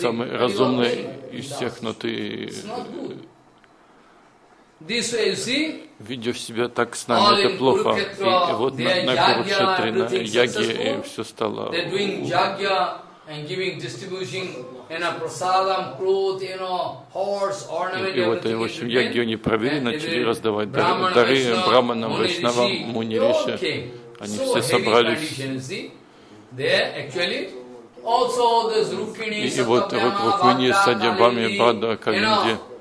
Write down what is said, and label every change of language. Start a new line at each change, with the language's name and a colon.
Russian: Самый разумный из всех, но ты.
English: This way you see.
Russian: Ведешь себя так с нами, это плохо. И вот на Курукшетре, на яге и все стало.
English: They're doing jagya and giving, distributing, you know, prasadam, clothes, you know, horse, ornament.
Russian: И вот они, в общем, яги они провели, начали раздавать дары браманам, вишнавам, муниреше. Они все собрались. И вот Рукмини, Садьябами, Бада, Калинди,